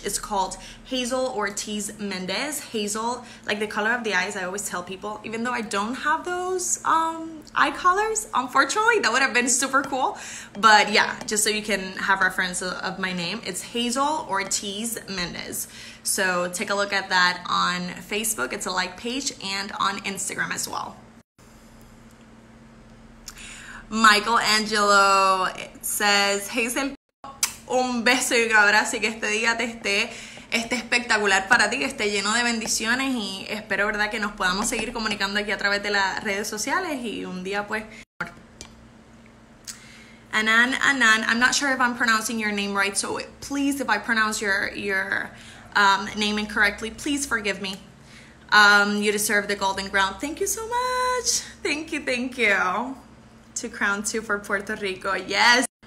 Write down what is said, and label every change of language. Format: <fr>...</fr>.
<en>It's called Hazel Ortiz Méndez. Hazel, like the color of the eyes, I always tell people, even though I don't have those eye colors, unfortunately, that would have been super cool. But yeah, just so you can have reference of my name, it's Hazel Ortiz Méndez. So take a look at that on Facebook. It's a like page, and on Instagram as well.</en> <es>Michelangelo says, Hazel, un beso y un abrazo, y que este día esté espectacular para ti, que esté lleno de bendiciones, y espero, verdad, que nos podamos seguir comunicando aquí a través de las redes sociales, y un día, pues,</es> <en>Anan, Anan. I'm not sure if I'm pronouncing your name right, so please, if I pronounce your name incorrectly, please forgive me. You deserve the golden crown. Thank you so much. Thank you, thank you. To crown two for Puerto Rico. Yes.</en>